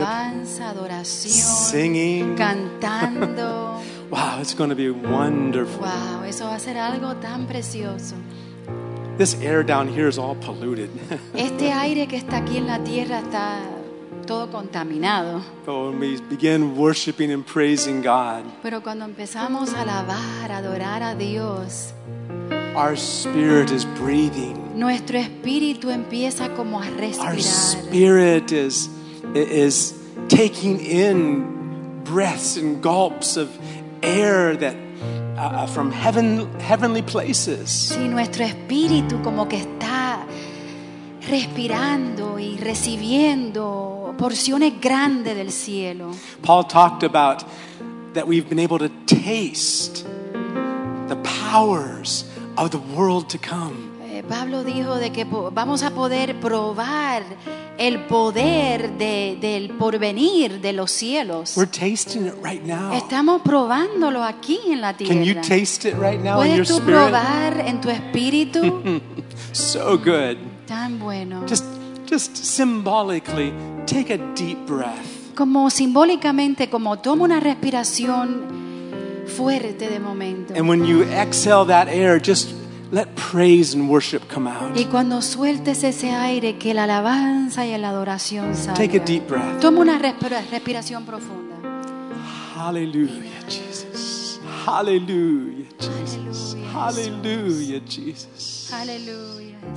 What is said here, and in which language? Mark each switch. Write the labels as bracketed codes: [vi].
[es] Alabanza, adoración, [en] singing, [es] cantando. [en] Wow, it's going to be wonderful. [es] Wow, eso va a ser algo tan precioso. [en] This air down here is all polluted. [es] Este aire que está aquí en la tierra está todo contaminado. [en] But when we begin worshiping and praising God, [es] pero cuando empezamos a alabar, a adorar a Dios, [en] our spirit is breathing. [es] Nuestro espíritu empieza como a respirar. [en] Our spirit is taking in breaths and gulps of air that from heavenly places. [es] Sí, nuestro espíritu como que está respirando y recibiendo porciones grandes del cielo. [en] Paul talked about that we've been able to taste the powers of the world to come. [es] Pablo dijo de que vamos a poder probar el poder del porvenir de los cielos. [en] We're tasting it right now. [es] Estamos probándolo aquí en la tierra. [en] Can you taste it right now? [es] ¿Puedes [en] in your [es] tú [en] spirit? [es] Probar en tu espíritu? [en] So good. [es] Tan bueno. [en] Just symbolically, take a deep breath. [es] Como simbólicamente, como toma una respiración fuerte de momento. [en] And when you exhale that air, just let praise and worship come out. [es] Y cuando sueltes ese aire, que la alabanza y la adoración salga. [en] Take a deep breath. [es] Toma una respiración profunda. [en] Hallelujah, Jesus. Hallelujah, Jesus. Hallelujah, Jesus. Hallelujah.